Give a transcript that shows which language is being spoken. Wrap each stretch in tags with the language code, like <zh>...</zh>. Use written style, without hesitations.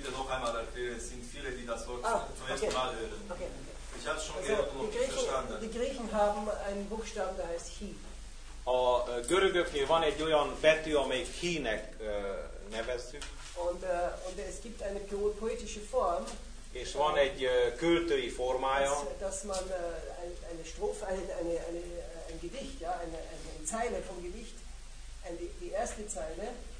<de>einmal erklären, es sind viele, die das Wort zum ersten Mal hören. Okay. Ich habe es schon gehört und verstanden. Die Griechen haben einen Buchstaben, der heißt Hi.</de> <hu>A görögöknél van egy olyan betű, amelyik Hi-nek nevezzük.</hu> <de>Und es gibt eine poetische Form.</de> <hu>És van egy költői formája.</hu> <de>Dass man eine Strophe, ein Gedicht, ja, eine Zeile vom Gedicht, die erste Zeile.</de>